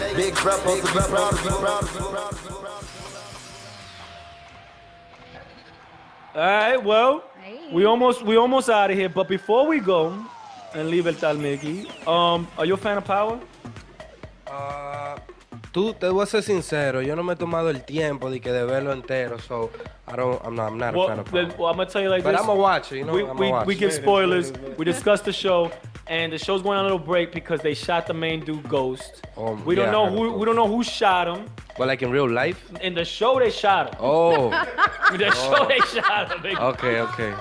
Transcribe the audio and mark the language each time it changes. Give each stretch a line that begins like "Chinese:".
English: Big brother, big brother. All right, well, we almost out of here. But before we go and leave El Tal Mickey, are you a fan of Power?
Spanish: Tú, te voy a ser sincero. Yo no me he tomado el tiempo de que de verlo entero.
English: So, I'm not well, a fan of Power. Well, I'm going to tell you like but this. But I'm going to watch it. You know, we give spoilers. We discuss the show. And the show's going on a little break because they shot the main dude, Ghost. We don't know who shot him. But like in real life? In the show, they shot him. Oh. They shot him.